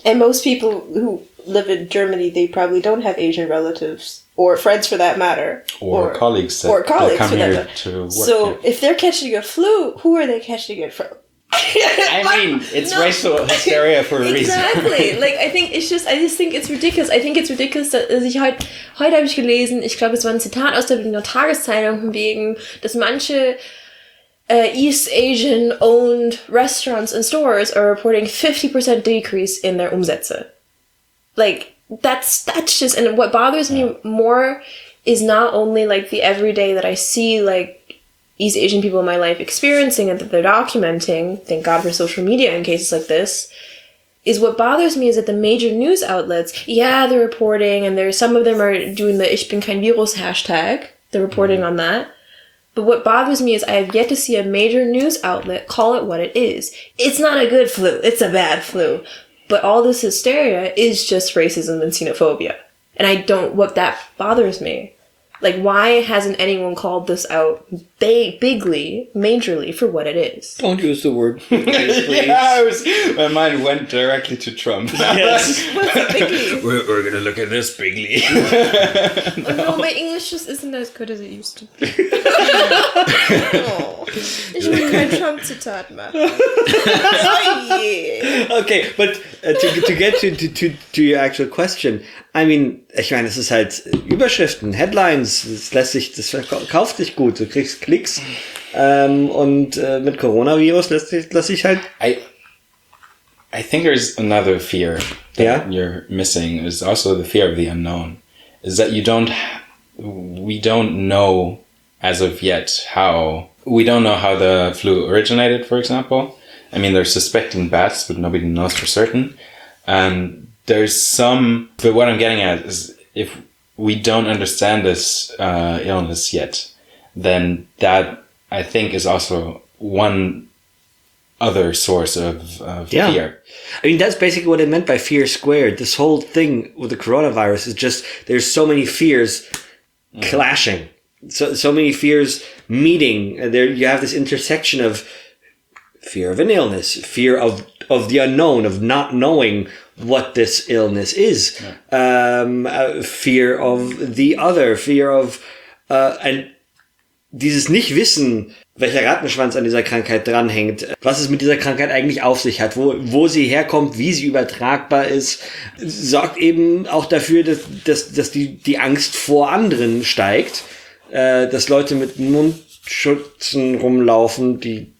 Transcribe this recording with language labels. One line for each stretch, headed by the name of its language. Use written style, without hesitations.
English: And most people who live in Germany, they probably don't have Asian relatives or friends for that matter. Or colleagues come here to work. So if they're catching a flu, who are they catching it from? I mean, it's not racial hysteria for a reason. Exactly. Like, I just think it's ridiculous. I think it's ridiculous,
German: dass ich heute habe ich gelesen, ich glaube, es war ein Zitat aus der Berliner Tageszeitung, von wegen, dass manche
English: East Asian-owned restaurants and stores are reporting 50% decrease in their
German: Umsätze.
English: Like, that's just... And what bothers me more is not only, like, the everyday that I see, like, East Asian people in my life experiencing it, that they're documenting, thank God for social media in cases like this, is what bothers me is that the major news outlets, yeah, they're reporting, and there's some of them are doing the
German: Ich bin kein Virus
English: hashtag, they're reporting on that, but what bothers me is I have yet to see a major news outlet call it what it is. It's not a good flu, it's a bad flu, but all this hysteria is just racism and xenophobia, and I don't, what that bothers me. Like, why hasn't anyone called this out bigly, majorly, for what it is? Don't use the word bigly, please. Yeah, my mind went directly to Trump. Yes. What's bigly? We're going to look at this bigly. No. Oh, no, my English just isn't as good as it used to be.
German: Ich will kein Trump-Zitat machen.
English: Okay, but to get to your actual question, I mean,
German: ich meine, es ist halt Überschriften, Headlines, es lässt sich, das verkauft sich gut, du kriegst Klicks, und mit Coronavirus lässt sich halt...
English: I think there's another fear that you're missing, is also the fear of the unknown, is that we don't know the flu originated, for example. I mean, they're suspecting bats, but nobody knows for certain. And there's some... But what I'm getting at is if we don't understand this illness yet, then that, I think, is also one other source of fear. I mean, that's basically what it meant by fear squared. This whole thing with the coronavirus is just there's so many fears clashing. So many fears meeting. There you have this intersection of fear of an illness, fear of the unknown, of not knowing what this illness is, fear of the other, fear of and
German: dieses nicht wissen, welcher Rattenschwanz an dieser Krankheit dranhängt, was es mit dieser Krankheit eigentlich auf sich hat, wo sie herkommt, wie sie übertragbar ist, sorgt eben auch dafür, dass die Angst vor anderen steigt, dass Leute mit Mundschutzen rumlaufen, die